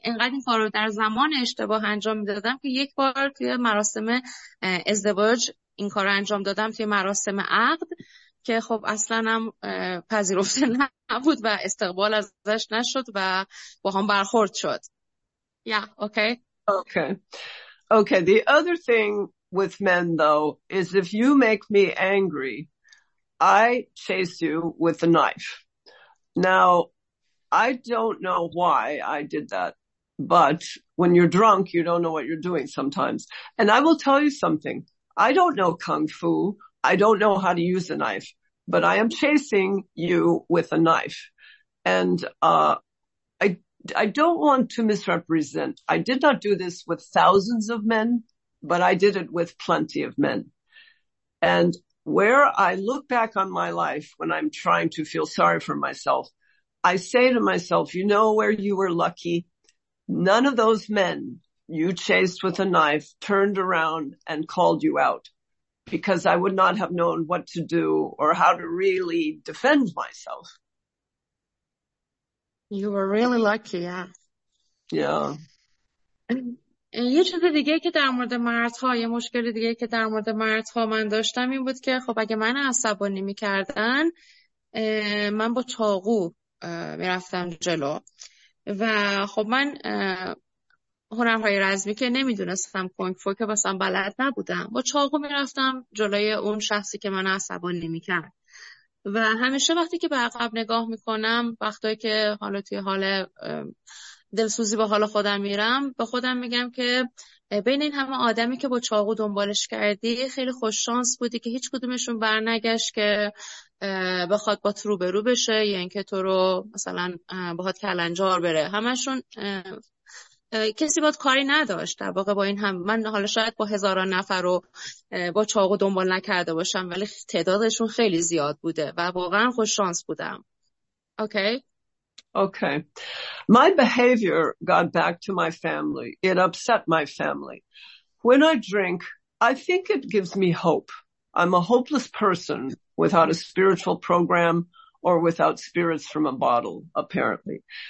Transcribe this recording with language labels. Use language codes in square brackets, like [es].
[fa] این کار رو در زمان اشتباه انجام میدادم که یک بار توی مراسم ازدواج این کار انجام دادم، توی مراسم عقد که خب اصلا هم پذیرفته نبود و استقبال ازش نشد و با هم برخورد شد. [en] Yeah, okay. Okay. Okay, the other thing with men though is if you make me angry, I chase you with a knife. Now, I don't know why I did that, but when you're drunk, you don't know what you're doing sometimes. And I will tell you something. I don't know kung fu. I don't know how to use a knife, but I am chasing you with a knife. And I don't want to misrepresent. I did not do this with thousands of men, but I did it with plenty of men. And where I look back on my life when I'm trying to feel sorry for myself, I say to myself, you know where you were lucky? None of those men you chased with a knife turned around and called you out, because I would not have known what to do or how to really defend myself. You were really lucky, yeah. Yeah. [fa] یه چیز دیگه که در مورد مردها، یه مشکل دیگه که در مورد مردها من داشتم این بود که خب اگه من عصبانی می‌کردن، من با چاقو می‌رفتم جلو و خب من هنرهای رزمی که نمی‌دونستم، کونگ فو که مثلا بلد نبودم، با چاقو می‌رفتم جلوی اون شخصی که من عصبانی می‌کرد. و همیشه وقتی که به عقب نگاه می‌کنم، وقتی که حالا توی حال دلسوزی با حال خودم میرم، به خودم میگم که بین این همه آدمی که با چاقو دنبالش کردی، خیلی خوششانس بودی که هیچ کدومشون برنگشت که بخواد با تو روبرو بشه، یا یعنی که تو رو مثلا باهات کلنجار بره. همشون کسی باهات کاری نداشت. در واقع با این هم من حالا شاید با هزاران نفر رو با چاقو دنبال نکرده باشم، ولی تعدادشون خیلی زیاد بوده و واقعا خوششانس بودم. [en] Okay? Okay. My behavior got back to my family. It upset my family. When I drink, I think it gives me hope. I'm a hopeless person without a spiritual program or without spirits from a bottle, apparently.